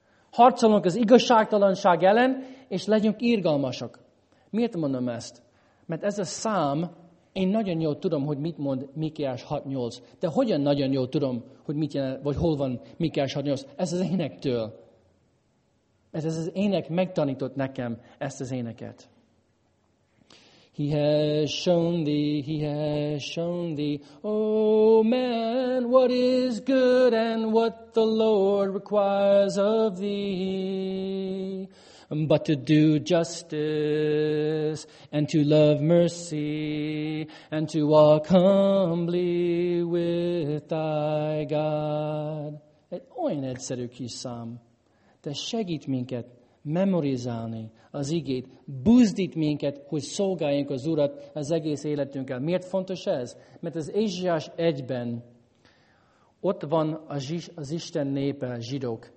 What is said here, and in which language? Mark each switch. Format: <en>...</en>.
<hu>Harcolunk az igazságtalanság ellen, és legyünk irgalmasak. Miért mondom ezt? Mert ez a szám, én nagyon jól tudom, hogy mit mond Mikiás 6-8, de hogyan nagyon jól tudom, hogy mit jelent, vagy hol van Mikiás 6-8? Ez az énektől. Mert ez az ének megtanított nekem ezt az éneket.</hu> <en>He has shown thee, he has shown thee, oh man, what is good and what the Lord requires of thee. But to do justice, and to love mercy, and to walk humbly with thy God.</en> <hu>Egy olyan egyszerű kis szám, de segít minket memorizálni az igét, buzdít minket, hogy szolgáljunk az Urat az egész életünkkel. Miért fontos ez? Mert az Ézsaiás 1-ben ott van az Isten népe, a zsidók.</hu>